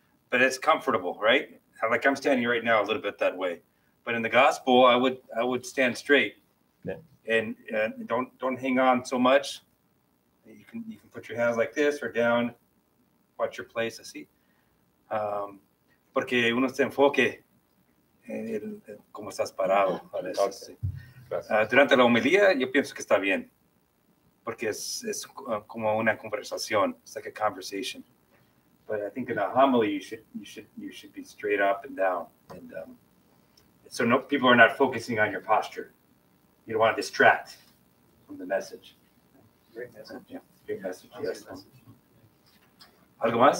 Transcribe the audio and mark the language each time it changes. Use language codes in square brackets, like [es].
[en] But it's comfortable, right? Like I'm standing right now a little bit that way. But in the gospel, I would stand straight. Yeah. And don't hang on so much. You can put your hands like this or down. Watch your place. Así. [es] Porque uno se enfoque en cómo estás parado. [en] Okay. [es] Durante la homilía, yo pienso que está bien. Porque es como una conversación. [en] It's like a conversation. But I think in a homily, you should be straight up and down. And so no, people are not focusing on your posture. You don't want to distract from the message. Great message. Yeah. Great message. Yes. [es] Algo más?